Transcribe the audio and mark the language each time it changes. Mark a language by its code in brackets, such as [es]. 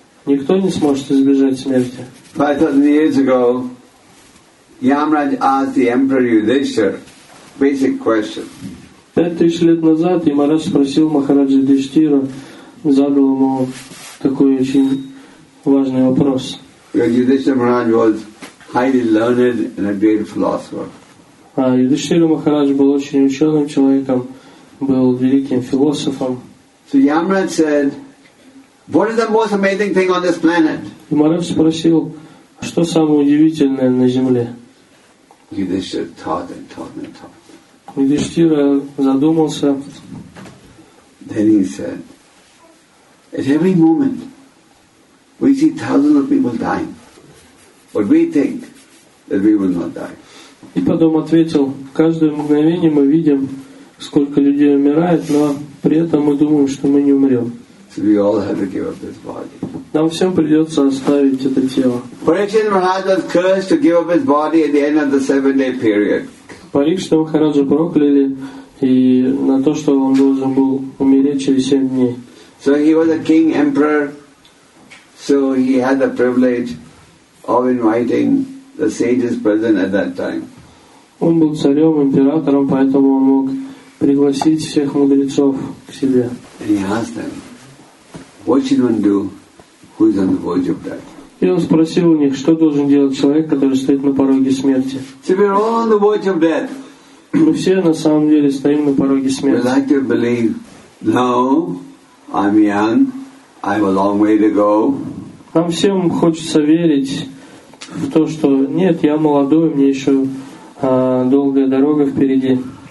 [ru] Никто не сможет избежать смерти. [en] 5,000 years ago, Yamraj asked the emperor Yudhishthira basic question. [ru] 5,000 лет назад Ямарадж спросил Махараджа Юдхиштхира, задал ему такой очень важный вопрос. [en] Yudhishthira Maharaj was highly learned and a great philosopher. [ru] Yudhishthira Maharaj был очень ученым человеком, был великим философом. [en] So Yamraj said, "What is the most amazing thing on this planet?" [ru] Yamraj спросил, что самое удивительное на Земле. [en] Yudhishthira thought and thought and thought. [ru] Yudhishthira задумался. [en] Then he said, "At every moment, we see thousands of people dying, but we think that we will not die." [ru] И потом ответил: каждое мгновение мы видим, сколько людей умирает, но при этом мы думаем, что мы не умрем. [en] So we all have to give up this body. [ru] Нам всем придется оставить это тело. [en] Parikshit Maharaj was cursed to give up his body at the end of the 7-day period. [ru] Парикшита Махараджа прокляли и на то, что он должен был умереть через 7 дней. [en] So he was a king emperor, so he had the privilege of inviting the sages present at that time. [ru] Он был царем, императором, поэтому он мог пригласить всех мудрецов к себе. [en] And he asked them, what should one do who is on the verge of death? [ru] И он спросил у них, что должен делать человек, который стоит на пороге смерти. [en] So we are all on the verge of death. [ru] Мы все на самом деле стоим на пороге смерти. [en] We like to believe, no, I'm young, I have a long way to go. [ru] Нам всем хочется верить в то, что нет, я молодой, мне еще долгая дорога впереди.